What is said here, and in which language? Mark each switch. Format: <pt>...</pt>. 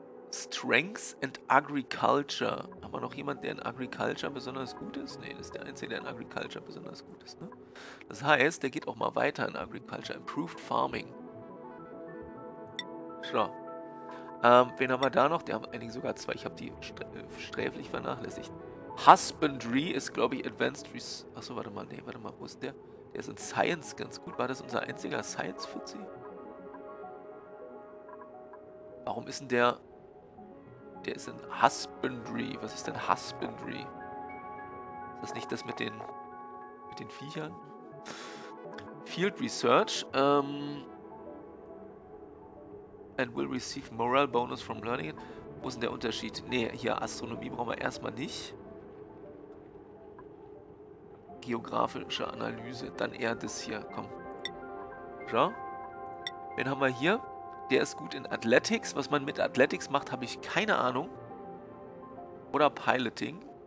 <en>Strength and Agriculture.</en> <de>Haben wir noch jemanden, der in Agriculture besonders gut ist? Nee, das ist der Einzige, der in Agriculture besonders gut ist, ne? Das heißt, der geht auch mal weiter in Agriculture. Improved Farming. So. Wen haben wir da noch? Die haben eigentlich sogar zwei. Ich habe die sträflich vernachlässigt. Husbandry ist, glaube ich, Advanced Research. Achso, warte mal. Nee, warte mal. Wo ist der? Der ist in Science ganz gut. War das unser einziger Science-Fuzzi? Warum ist denn der... Der ist in Husbandry. Was ist denn Husbandry? Ist das nicht das mit den... Mit den Viechern? Field Research.</de> <en>And will receive morale bonus from learning.</en> <de>Wo ist denn der Unterschied? Nee, hier Astronomie brauchen wir erstmal nicht. Geografische Analyse. Dann eher das hier. Komm. Ja. Wen haben wir hier? Der ist gut in Athletics. Was man mit Athletics macht, habe ich keine Ahnung. Oder Piloting.</de>